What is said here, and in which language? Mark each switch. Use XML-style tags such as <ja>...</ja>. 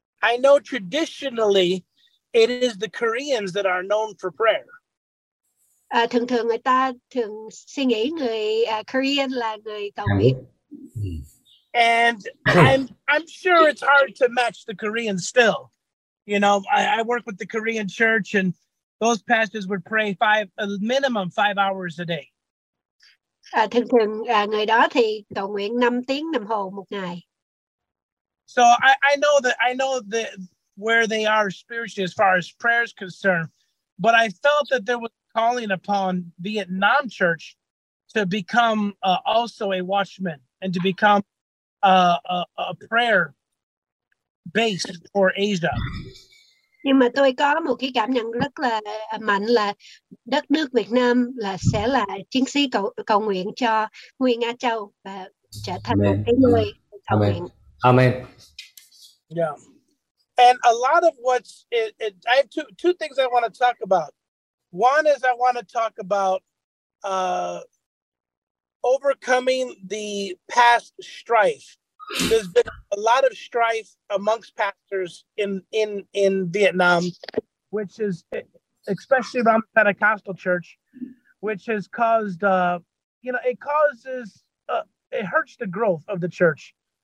<en>I know traditionally it is the Koreans that are known for prayer.</en> <vi>Thường thường người ta thường suy nghĩ người Korean là người cầu nguyện.</vi> <en>And I'm sure it's hard to match the Koreans still. You know, I work with the Korean church, and those pastors would pray minimum five hours a day.</en> <vi>Thường thường người đó thì cầu nguyện 5 tiếng đồng hồ một ngày.</vi> <en>So I know that where they are spiritually as far as prayer is concerned, but I felt that there was calling upon Vietnam church to become also a watchman and to become a prayer base for Asia.</en> <vi>Nhưng mà tôi có một cái cảm nhận rất là mạnh là đất nước Việt Nam là sẽ là chiến sĩ cầu nguyện cho nguyên Á Châu và trở thành Amen. Một cái nơi cầu</vi> <en>Amen.</en> <vi>Nguyện.</vi> <en>Amen. Yeah. And a lot of what's it, I have two things I want to talk about. One is I want to talk about overcoming the past strife. There's been a lot of strife amongst pastors in Vietnam, which is especially around the Pentecostal church, which has caused it hurts the growth of the church.</en>